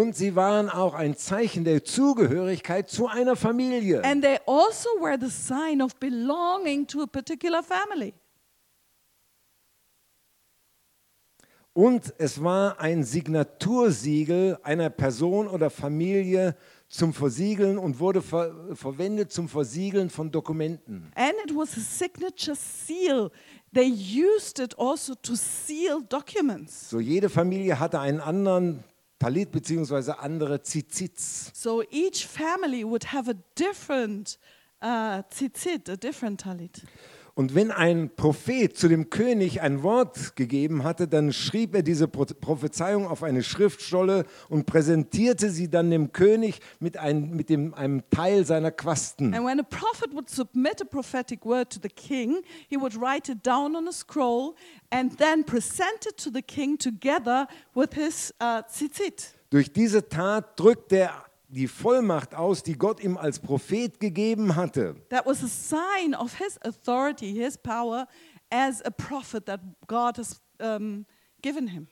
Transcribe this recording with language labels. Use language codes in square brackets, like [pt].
[de] Und sie waren auch ein Zeichen der Zugehörigkeit zu einer Familie. [en] And they also were the sign of belonging to a particular family. [de] Und es war ein Signatursiegel einer Person oder Familie zum Versiegeln und wurde verwendet zum Versiegeln von Dokumenten. [en] And it was a signature seal. They used it also to seal documents. [de] So jede Familie hatte einen anderen Talit beziehungsweise andere Zizits. [en] So each family would have a different Zizit, a different Talit. [de] Und wenn ein Prophet zu dem König ein Wort gegeben hatte, dann schrieb er diese Prophezeiung auf eine Schriftstolle und präsentierte sie dann dem König mit einem Teil seiner Quasten. [en] And when a prophet would submit a prophetic word to the king, he would write it down on a scroll and then present it to the king together with his tzitzit. [de] Durch diese Tat drückt er die Vollmacht aus, die Gott ihm als Prophet gegeben hatte. [en] That was a sign of his authority, his power as a prophet that God has given him.